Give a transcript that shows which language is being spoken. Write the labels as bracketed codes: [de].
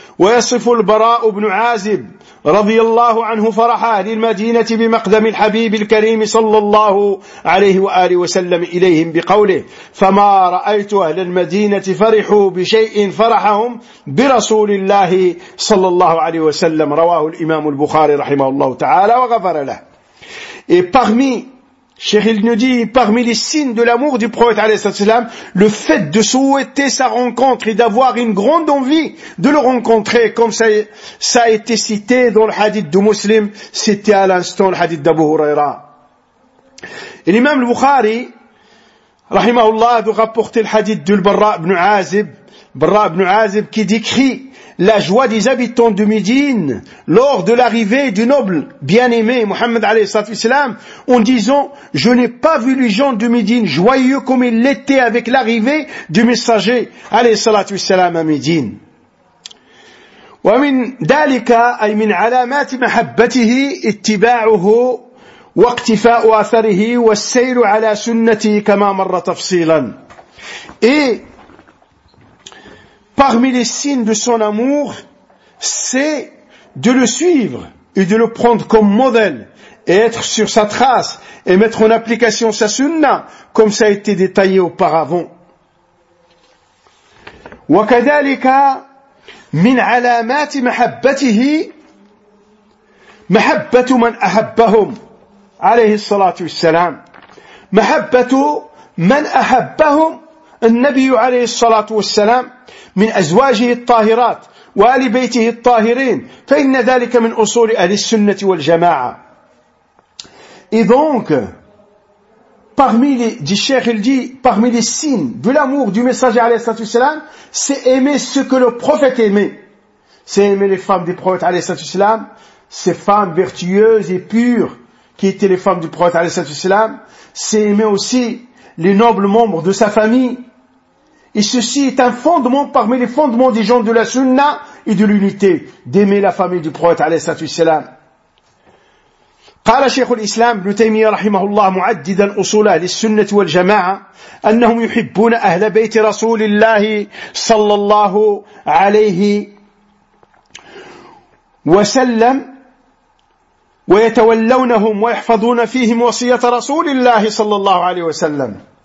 [ar] ويصف البراء بن عازب رضي الله عنه فرح أهل المدينة بمقدم الحبيب الكريم صلى الله عليه وآله وسلم إليهم بقوله فما رأيت أهل المدينة فرحوا بشيء فرحهم برسول الله صلى الله عليه وسلم رواه الإمام البخاري رحمه الله تعالى وغفر له. [fr] Et parmi, Cheikh il nous dit, parmi les signes de l'amour du prophète [ar] عليه الصلاة والسلام, [fr] le fait de souhaiter sa rencontre et d'avoir une grande envie de le rencontrer, comme ça a été cité dans le hadith de Muslim, cité à l'instant le hadith d'Abu Huraira. Et l'imam al-Bukhari, rahimahullah, de rapporter le hadith de Barra ibn Azib, qui décrit la joie des habitants de Médine lors de l'arrivée du noble bien-aimé Mohammed a.s. en disant, je n'ai pas vu les gens de Médine joyeux comme ils l'étaient avec l'arrivée du messager a.s. à Médine. [ar] ومن ذلك أي من علامات محبته اتباعه واقتفاء أثره والسير على سنته كما مر تفصيلا. [fr] Parmi les signes de son amour, c'est de le suivre et de le prendre comme modèle et être sur sa trace et mettre en application sa sunna, comme ça a été détaillé auparavant. [ar] وكذلك من علامات محبته محبة من أحبهم عليه الصلاة والسلام محبة من أحبهم النبي عليه الصلاة والسلام من أزواجه الطاهرات وآل بيته الطاهرين، فإن ذلك من أصول أهل السنة والجماعة. [fr] Et donc, parmi les, dit Cheikh, il dit, parmi les signes de l'amour du messager alayhi salam, c'est aimer ce que le prophète aimait. C'est aimer les femmes du prophète alayhi salam, ces femmes vertueuses et pures qui étaient les femmes du prophète alayhi salam. C'est aimer aussi les nobles membres de sa famille. Et ceci est un fondement parmi les fondements des gens de la sunna et de l'unité, d'aimer la famille du prophète alayhi salam. [ar] قال شيخ الإسلام ابن تيمية رحمه الله معددا أصول أهل السنة والجماعة أنهم يحبون أهل بيت رسول الله صلى الله عليه وسلم ويتولونهم ويحفظون فيهم وصية رسول الله صلى الله عليه وسلم.